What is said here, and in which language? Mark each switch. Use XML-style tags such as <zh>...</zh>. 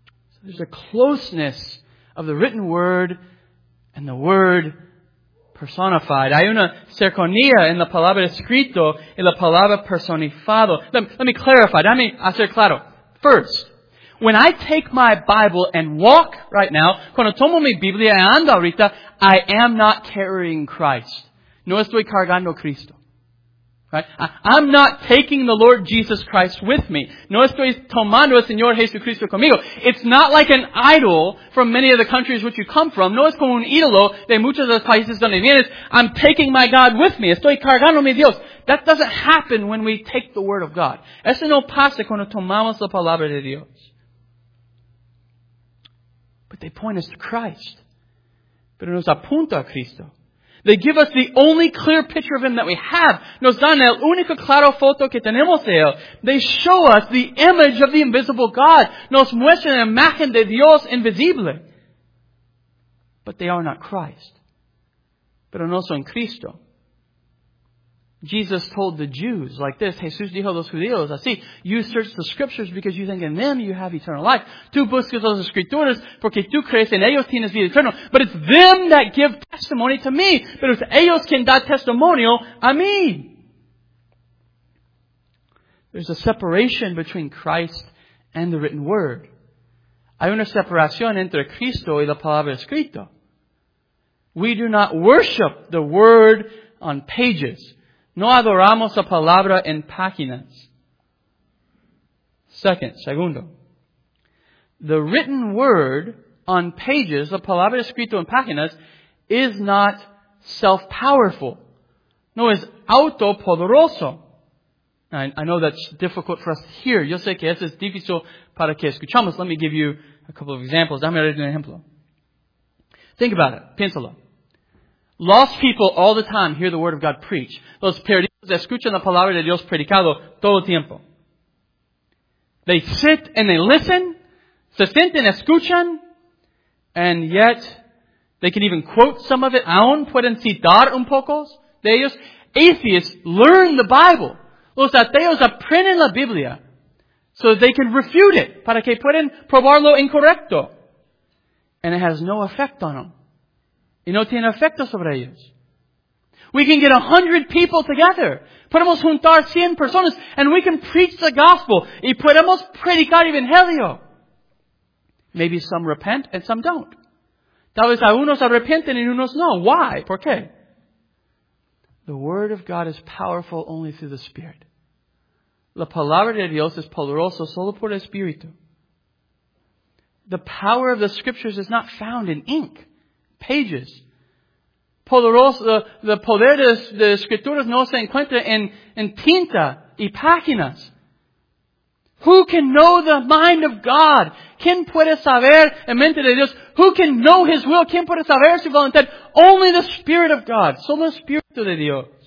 <en>So there's a closeness of the written Word and the Word personified.</en> <es>Hay una cercanía en la palabra escrito y la palabra personificado.</es> <en>Let me clarify. Let me</en> <es>hacer claro.</es> <en>First, when I take my Bible and walk right now,</en> <es>cuando tomo mi Biblia y ando ahorita,</es> <en>I am not carrying Christ.</en> <es>No estoy cargando Cristo.</es> <en>Right? I'm not taking the Lord Jesus Christ with me.</en> <es>No estoy tomando el Señor Jesucristo conmigo.</es> <en>It's not like an idol from many of the countries which you come from.</en> <es>No es como un ídolo de muchos de los países donde vienes.</es> <en>I'm taking my God with me.</en> <es>Estoy cargando mi Dios.</es> <en>That doesn't happen when we take the Word of God.</en> <es>Eso no pasa cuando tomamos la palabra de Dios.</es> <en>But they point us to Christ.</en> <es>Pero nos apunta a Cristo.</es> <en>They give us the only clear picture of Him that we have.</en> <es>Nos dan el único claro foto que tenemos de Él.</es> <en>They show us the image of the invisible God.</en> <es>Nos muestran la imagen de Dios invisible.</es> <en>But they are not Christ.</en> <es>Pero no son Cristo.</es> <en>Jesus told the Jews like this.</en> <es>Jesús dijo a los judíos así.</es> <en>You search the Scriptures because you think in them you have eternal life.</en> <es>Tú buscas las Escrituras porque tú crees en ellos tienes vida eterna.</es> <en>But it's them that give testimony to me.</en> <es>Pero es ellos quien da testimonio a mí.</es> <en>There's a separation between Christ and the written Word.</en> <es>Hay una separación entre Cristo y la palabra escrita.</es> <en>We do not worship the Word on pages.</en> <es>No adoramos la palabra en páginas. Segundo.</es> <en>The written Word on pages,</en> <es>la palabra escrito en páginas,</es> <en>is not self-powerful.</en> <es>No es autopoderoso.</es> <en>I know that's difficult for us to hear.</en> <es>Yo sé que eso es difícil para que escuchamos.</es> <en>Let me give you a couple of examples.</en> <es>Dame un ejemplo.</es> <en>Think about it.</en> <es>Piénsalo.</es> <en>Lost people all the time hear the Word of God preach.</en> <es>Los perdidos escuchan la palabra de Dios predicado todo el tiempo.</es> <en>They sit and they listen.</en> <es>Se sienten, escuchan.</es> <en>And yet, they can even quote some of it.</en> <es>Aún pueden citar un poco de ellos.</es> <en>Atheists learn the Bible.</en> <es>Los ateos aprenden la Biblia.</es> <en>So they can refute it.</en> <es>Para que puedan probarlo incorrecto.</es> <en>And it has no effect on them.</en> <es>Y no tiene efecto sobre ellos.</es> <en>We can get 100 people together.</en> <es>Podemos juntar 100 personas.</es> <en>And we can preach the gospel.</en> <es>Y podemos predicar el evangelio.</es> <en>Maybe some repent and some don't.</en> <es>Tal vez algunos arrepienten y unos no.</es> <en>Why?</en> <es>¿Por qué?</es> <en>The word of God is powerful only through the Spirit.</en> <es>La palabra de Dios es poderosa solo por el Espíritu.</es> <en>The power of the scriptures is not found in ink, pages.</en> <es>The poder de las escrituras no se encuentra en tinta y páginas.</es> <en>Who can know the mind of God?</en> <es>¿Quién puede saber la mente de Dios?</es> <en>Who can know His will?</en> <es>¿Quién puede saber su voluntad?</es> <en>Only the Spirit of God.</en> <es>Solo el Espíritu de Dios.</es>